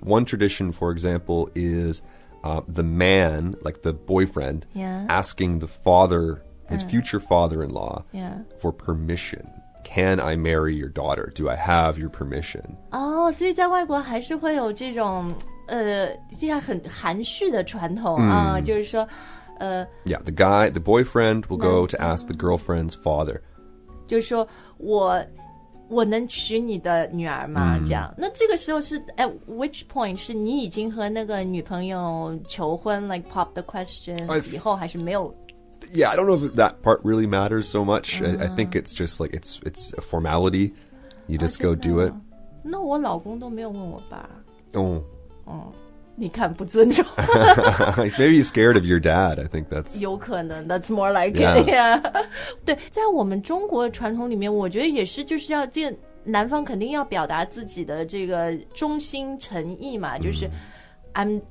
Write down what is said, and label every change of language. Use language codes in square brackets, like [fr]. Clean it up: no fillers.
[en] One tradition, for example, is、the man, like the boyfriend,、 yeah. asking the father... his future father-in-law、 yeah. for permission. Can I marry your daughter? Do I have your permission? Oh, so in [zh] 外国还是会有这种这样很含蓄的传统、mm. 就是说 [en] Yeah, the guy, the boyfriend will go to ask the girlfriend's father. [zh] 就是说我能娶你的女儿吗、mm. 这样。那这个时候是 [en] at which point [zh] 是你已经和那个女朋友求婚 [en] like pop the question [zh] 以后还是没有 [en] Yeah, I don't know if that part really matters so much.、Uh-huh. I think it's just like, it's a formality. You just、go do it. [zh] 那我老公都没有问我爸。 [en] Oh. [zh] 你看不尊重。 [en] Maybe he's scared of your dad. I think that's... [zh] 有可能。 [en] That's more like it. Yeah. yeah. [zh] 对，在我们中国传统里面，我觉得也是就是要见男方肯定要表达自己的这个忠心诚意嘛，就是、mm.